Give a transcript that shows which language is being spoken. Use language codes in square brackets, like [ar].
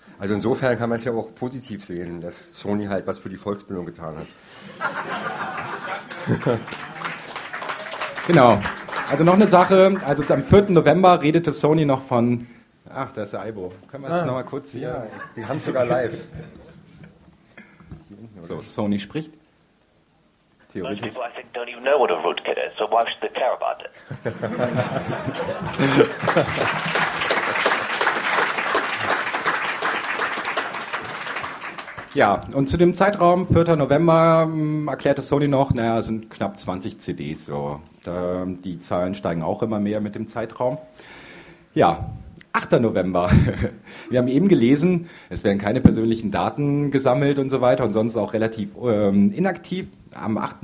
[de] Also insofern kann man es ja auch positiv sehen, dass Sony halt was für die Volksbildung getan hat. Genau. Also noch eine Sache, also am 4. November redete Sony noch von... Ach, da ist der Aibo. Können wir das nochmal kurz hier... Ja, die haben es sogar live. So, Sony spricht. Theoretisch. [en] Most people, I think, don't even know what a rootkit is, so why should they care about it? [de] Ja, und zu dem Zeitraum, 4. November, erklärte Sony noch, naja, es sind knapp 20 CDs. So. Die Zahlen steigen auch immer mehr mit dem Zeitraum. Ja, 8. November. Wir haben eben gelesen, es werden keine persönlichen Daten gesammelt und so weiter und sonst auch relativ inaktiv. Am 8.